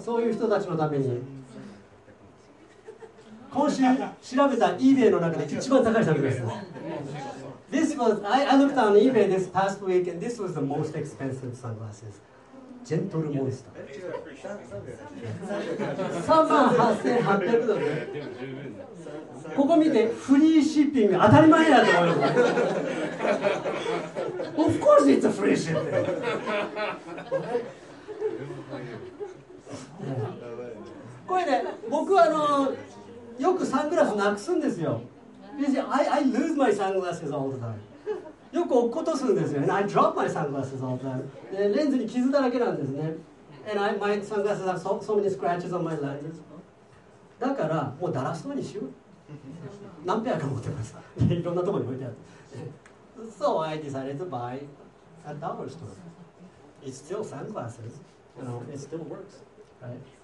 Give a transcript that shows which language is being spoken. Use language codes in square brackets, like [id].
[ja] そういう人たちのために今週調べた eBay の中で一番高い作品です。 [en] This was, I looked on eBay this past week and this was the most expensive sunglasses. [ja] ジェントルモンスター 38,800 dollars。ここ見て、フリーシッピング当たり前だと思います。 [en] Of course it's a free shipping. [ja] これね、僕はよくサングラスなくすんですよ。 [en] I lose my sunglasses all the time. [ja] よく落っことすんですよ。 [en] And I drop my sunglasses all the time. [ja] レンズに傷だらけなんですね。 [en] And my sunglasses have so many scratches on my lenses. [ja] だからもうだらそうにしよう。何ペアか持ってます。いろんなところに置いてある。 [en] So I decided to buy a dollar store. It's still sunglasses. You know, it still works, right?